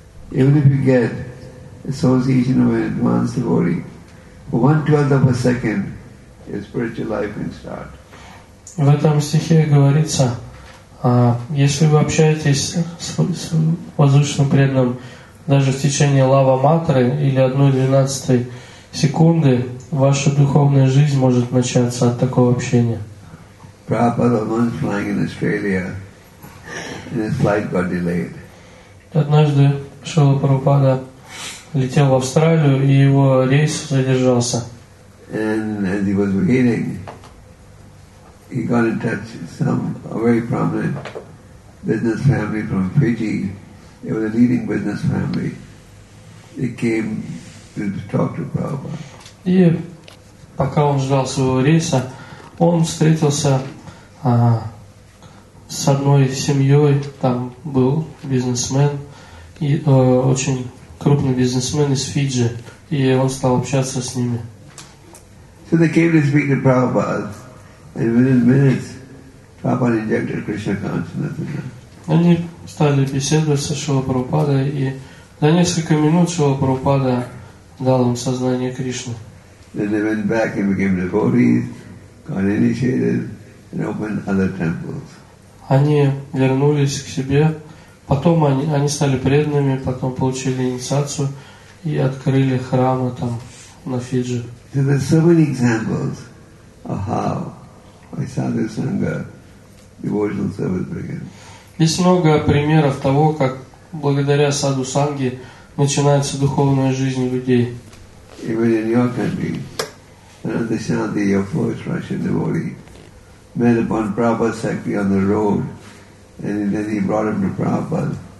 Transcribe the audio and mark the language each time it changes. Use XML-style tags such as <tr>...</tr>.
<en>Even if you get association of an advanced devotee, for 1/12 of a second, your spiritual life can start.</en> <ru>В этом стихе говорится, если вы общаетесь с возвышенным преданным даже в течение Лава Матры или 1/12 секунды, ваша духовная жизнь может начаться от такого общения.</ru> <en>Prabhupada was once flying in Australia and his flight got delayed.</en> <ru>Однажды Шрила Прабхупада летел в Австралию, и его рейс задержался.</ru> <en>And as he was waiting, he got in touch with a very prominent business family from Fiji. It was a leading business family. They came to talk to Prabhupada.</en> <ru>И пока он ждал своего рейса, он встретился с одной семьей, там был бизнесмен, и очень крупный бизнесмен из Фиджи, и он стал общаться с ними.</ru> <en>So they came to speak to Prabhupada, and within minutes, Prabhupada injected Krishna consciousness.</en> <ru>Они стали беседовать со Шрилой Прабхупадой, и за несколько минут Шрила Прабхупада дал им сознание Кришны.</ru> <en>Then they went back and became devotees, got initiated. And open other temples.</en> <ru>Они вернулись к себе, потом они стали преданными, потом получили инициацию и открыли храмы там на Фиджи.</ru> <en>So there's so many examples of how by sadhu sangha devotional service begins.</en> <ru>Есть много примеров того, как благодаря саду санги начинается духовная жизнь людей.</ru> <en>Even in your country, another Shanti, your first Russian devotee, met upon Prabhupada's sakhi on the road, and then he brought him to Prabhupada.</en>